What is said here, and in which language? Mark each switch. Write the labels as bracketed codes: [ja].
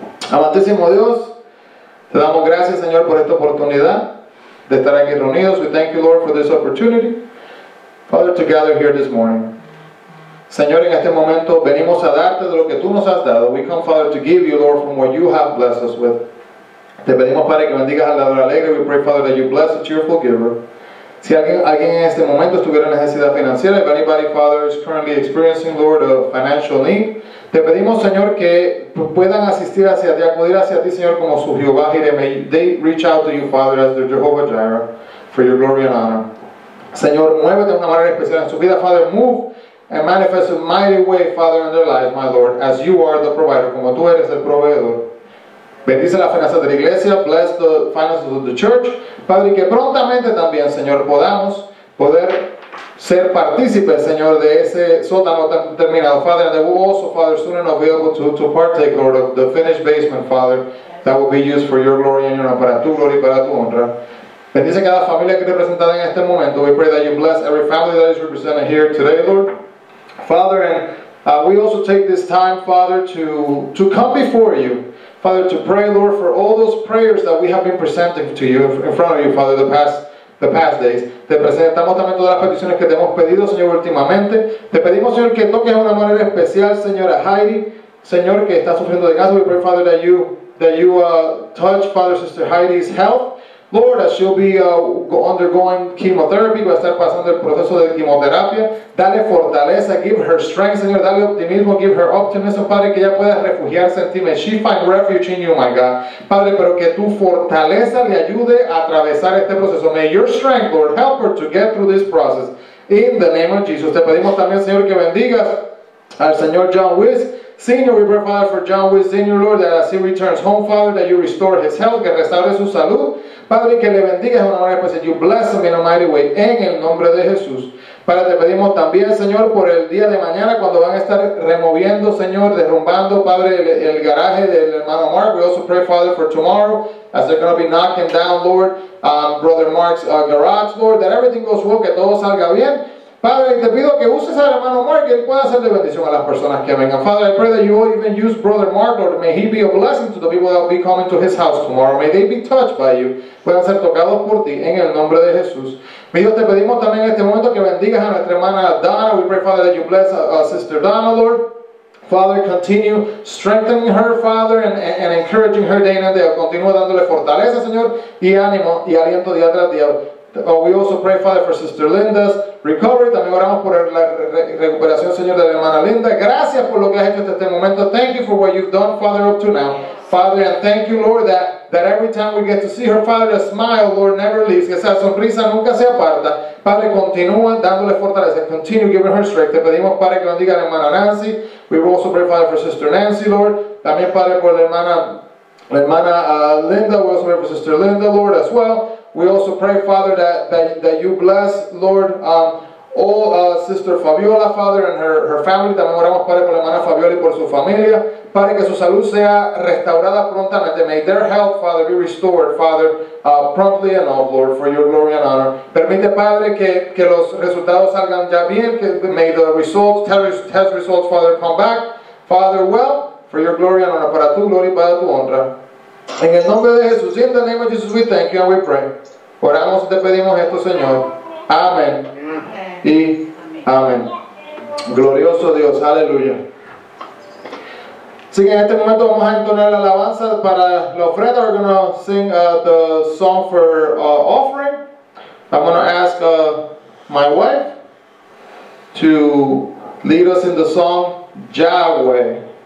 [es] Amantísimo Dios, te damos gracias, Señor, por esta oportunidad de estar aquí reunidos. [en] We thank you, Lord, for this opportunity, Father, to gather here this morning. [es] Señor, en este momento venimos a darte de lo que tú nos has dado. [en] We come, Father, to give you, Lord, from what you have blessed us with. [es] Te pedimos, Padre, que bendigas al dador alegre. [en] We pray, Father, that you bless the cheerful giver. [es] Si alguien en este momento estuviera en necesidad financiera, [en] if anybody, Father, is currently experiencing, Lord, a financial need, [es] Te pedimos, Señor, que puedan asistir hacia ti, acudir hacia ti, Señor, como su Jehová Jireh. [en] They reach out to you, Father, as their Jehovah Jireh, for your glory and honor. [es] Señor, muévete de una manera especial en su vida, Father. [en] Move and manifest a mighty way, Father, in their lives, my Lord, as you are the provider, [es] como tú eres el proveedor. Bendice la finanza de la iglesia, [en] bless the finances of the church. [es] Padre, que prontamente también, Señor, podamos poder ser partícipes, Señor, de ese sótano terminado. [en] Father, and that we also, Father, soon enough be able to partake, Lord, of the finished basement, Father, that will be used for your glory and your honor, [es] para tu gloria y para tu honra. Bendice cada familia que representada en este momento. [en] We pray that you bless every family that is represented here today, Lord. Father, and we also take this time, Father, to come before you, Father, to pray, Lord, for all those prayers that we have been presenting to you in front of you, Father, the past days. [es] Te presentamos también todas las peticiones que te hemos pedido, Señor, últimamente. Te pedimos, Señor, que toques de una manera especial, Señora Heidi, Señor, que está sufriendo de cáncer. [en] We pray, Father, that you touch Father, Sister Heidi's health. Lord, as she'll be undergoing chemotherapy, [es] va a estar pasando el proceso de quimioterapia. Dale fortaleza, [en] give her strength, [es] Señor. Dale optimismo, [en] give her optimism, [es] Padre, que ella pueda refugiarse en ti. [en] May she find refuge in you, my God. [es] Padre, pero que tu fortaleza le ayude a atravesar este proceso. [en] May your strength, Lord, help her to get through this process. In the name of Jesus. [es] Te pedimos también, Señor, que bendigas al Señor John Wiss. [en] Senior, we pray, Father, for John Wiss, Senior, Lord, that as he returns home, Father, that you restore his health, [es] que restaure su salud. Padre, que le bendiga de una manera especial. [en] You bless him in a mighty way, [es] en el nombre de Jesús. Padre, te pedimos también, Señor, por el día de mañana, cuando van a estar removiendo, Señor, derrumbando, Padre, el garaje del hermano Mark. [en] We also pray, Father, for tomorrow, as they're going to be knocking down, Lord, Brother Mark's garage, Lord, that everything goes well, [es] que todo salga bien. Padre, te pido que uses al hermano Mark, que él pueda ser de bendición a las personas que vengan. [en] Father, I pray that you will even use Brother Mark, Lord. May he be a blessing to the people that will be coming to his house tomorrow. May they be touched by you. [es] Puedan ser tocados por ti, en el nombre de Jesús. Mi Dios, te pedimos también en este momento que bendigas a nuestra hermana Donna. [en] We pray, Father, that you bless Sister Donna, Lord. Father, continue strengthening her, Father, and encouraging her day in and day out. [es] Continúa dándole fortaleza, Señor, y ánimo y aliento día tras día. [en] Oh, we also pray, Father, for Sister Linda's recovery. [es] También oramos por la recuperación, Señor, de la hermana Linda. Gracias por lo que has hecho hasta este momento. [en] Thank you for what you've done, Father, up to now. Father, and thank you, Lord, that every time we get to see her, Father, a smile, Lord, never leaves. [es] Que esa sonrisa nunca se aparta. Padre, continúa dándole fortaleza. [en] Continue giving her strength. [es] Te pedimos, Padre, que bendiga a la hermana Nancy. [en] We also pray, Father, for Sister Nancy, Lord. [es] También, Padre, por la hermana Linda. [en] We also pray for Sister Linda, Lord, as well. We also pray, Father, that you bless, Lord, all Sister Fabiola, Father, and her family. [es] También oramos, Padre, por la hermana Fabiola y por su familia. Padre, que su salud sea restaurada prontamente. [en] May their health, Father, be restored, Father, promptly and all, Lord, for your glory and honor. [es] Permite, Padre, que los resultados salgan ya bien. [en] May the results, test results, Father, come back, Father, well, for your glory and honor. [es] Para tu gloria y para tu honra. En el nombre de Jesús, [en] in the name of Jesus, we thank you and we pray. [es] Oramos y te pedimos esto, Señor. Amén. Y amén. Glorioso Dios, aleluya. Así que en este momento vamos a entonar la alabanza para la ofrenda. [en] We're going to sing the song for offering. I'm going to ask my wife to lead us in the song, Yahweh.